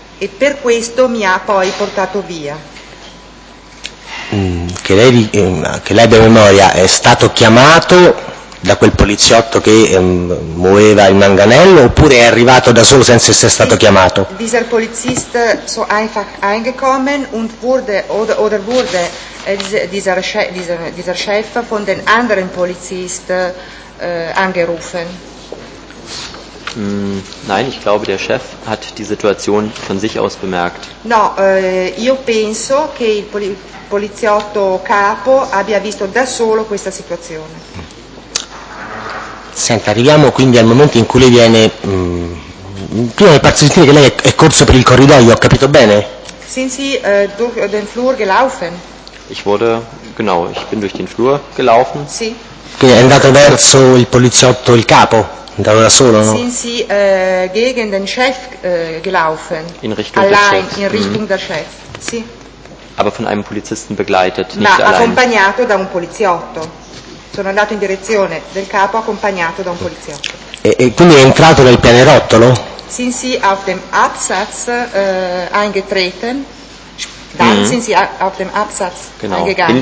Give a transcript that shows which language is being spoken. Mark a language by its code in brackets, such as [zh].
[it] E per questo mi ha poi portato via. Che lei abbia memoria, è stato chiamato da quel poliziotto che muoveva il manganello oppure è arrivato da solo senza essere stato chiamato? [de] Dieser Polizist so einfach eingekommen und wurde oder wurde dieser Chef von den anderen Polizist angerufen. Nein, ich glaube, der Chef hat die Situation von sich aus bemerkt. [it] No, io penso che il poliziotto capo abbia visto da solo questa situazione. Senta, arriviamo quindi al momento in cui lei viene. Prima mi è parso sentire che lei è corso per il corridoio, ho capito bene? [de] Sind Sie durch den Flur gelaufen? Ich bin durch den Flur gelaufen. [it] Sì. Quindi è andato verso il poliziotto, il capo? Andato da solo, no? [de] Sind Sie gegen den Chef gelaufen? In Richtung allein, des Chefs. In Richtung der Chef. Sì. Aber von einem Polizisten begleitet, [it] ma [de] nicht allein. [it] Accompagnato da un poliziotto. Sono andato in direzione del capo accompagnato da un poliziotto. E quindi è entrato nel pianerottolo? [de] sind Sie auf dem Absatz eingetreten? Dann sind Sie auf dem Absatz eingegangen.